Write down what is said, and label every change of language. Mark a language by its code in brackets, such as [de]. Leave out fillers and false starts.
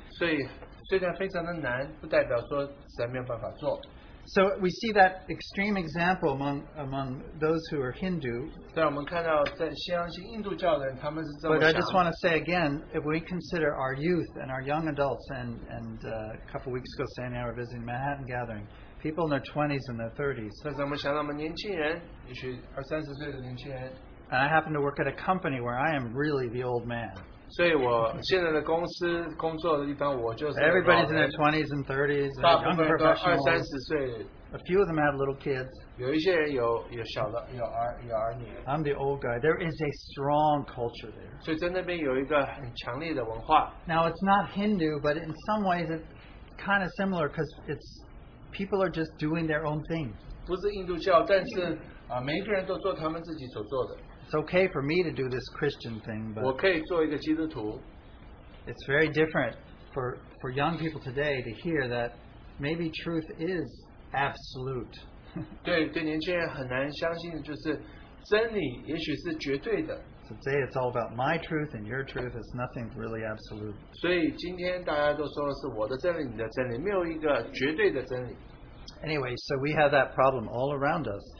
[zh] 所以虽然非常的难，不代表说神没有办法做。 [en] So we see that extreme example among those who are Hindu. But I just want to say again, if we consider our youth and our young adults, and a couple of weeks ago, Sandy and I were visiting Manhattan Gathering, people in their 20s and their 30s. And I happen to work at a company where I am really the old man. [zh] 所以我现在的公司工作的地方，我就是。 [en] Everybody's in their 20s and 30s. [zh] 大部分都二三十岁。 [en] A few of them have little kids. [zh] 有一些人有小的，有儿女。 [en] I'm the old guy. There is a strong culture there. [zh] 所以在那边有一个很强烈的文化。 [en] Now it's not Hindu, but in some ways it's kind of similar because it's people are just doing their own thing. [zh] 不是印度教，但是每一个人都做他们自己所做的。 [en] It's okay for me to do this Christian thing, but [zh] 我可以做一个基督徒。 [en] It's very different for young people today to hear that maybe truth is absolute. [zh] 对年轻人很难相信的就是真理也许是绝对的。 [en] So today it's all about my truth and your truth. It's nothing really absolute. [zh] 所以今天大家都说的是我的真理你的真理没有一个绝对的真理。 [en] Anyway, so we have that problem all around us.